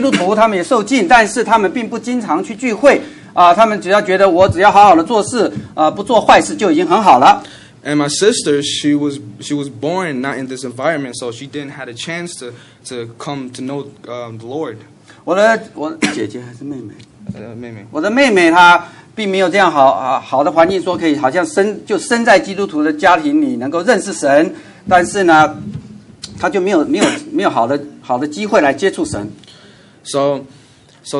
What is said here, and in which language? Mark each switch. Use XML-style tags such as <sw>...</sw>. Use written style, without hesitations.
<zh>所以的确，我的父母亲虽然他们也是基督徒，他们也受浸，但是他们并不经常去聚会。他们只要觉得我只要好好的做事，不做坏事就已经很好了。</zh> <en>And my sister, she was born not in this environment, so she didn't have a chance to come to know the Lord.</en> <zh>我的姐姐还是妹妹，我的妹妹她并没有这样好的环境，说可以好像生在基督徒的家庭里能够认识神，但是呢，她就没有好的机会来接触神。</zh> <en>So</en>